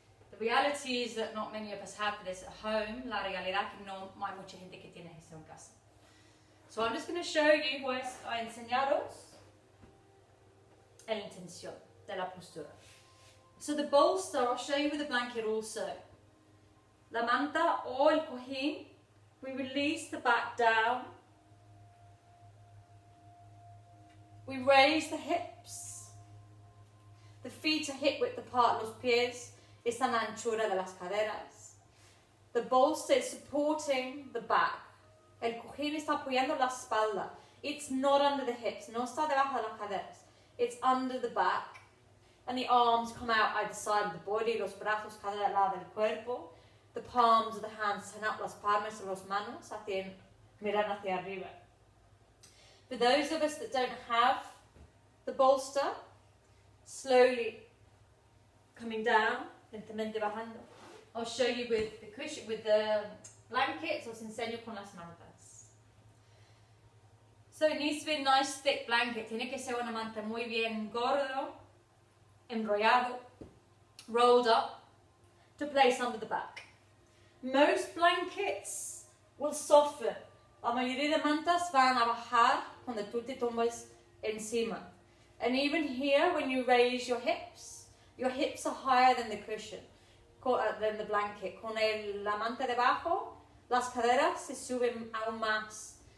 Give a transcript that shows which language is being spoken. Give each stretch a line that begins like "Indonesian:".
English: The reality is that not many of us have this at home.
Spanish: La realidad que no hay mucha gente que tiene eso en casa.
English: So I'm just going to show you,
Spanish: pues, a enseñaros la intención de la postura.
English: So the bolster, I'll show you with the blanket also.
Spanish: La manta o el cojín,
English: we release the back down. We raise the hips. The feet are hip width apart,
Spanish: los pies están a la anchura de las caderas.
English: The bolster is supporting the back.
Spanish: El cojín está apoyando la espalda.
English: It's not under the hips.
Spanish: No está debajo de las caderas.
English: It's under the back. And the arms come out either side of the body.
Spanish: Los brazos cada lado del cuerpo.
English: The palms of the hands turn up.
Spanish: Las palmas de las manos miran hacia arriba.
English: For those of us that don't have the bolster, slowly coming down,
Spanish: lentamente bajando.
English: I'll show you with the cushion, with the blankets,
Spanish: os enseño con las mantas.
English: So it needs to be a nice thick blanket.
Spanish: Tiene que ser una manta muy bien gordo, enrollado,
English: rolled up, to place under the back. Most blankets will soften.
Spanish: La mayoría de mantas van a bajar cuando tú te tumbas encima.
English: And even here, when you raise your hips are higher than the cushion, than the blanket.
Spanish: Con la manta debajo, las caderas se suben aún más.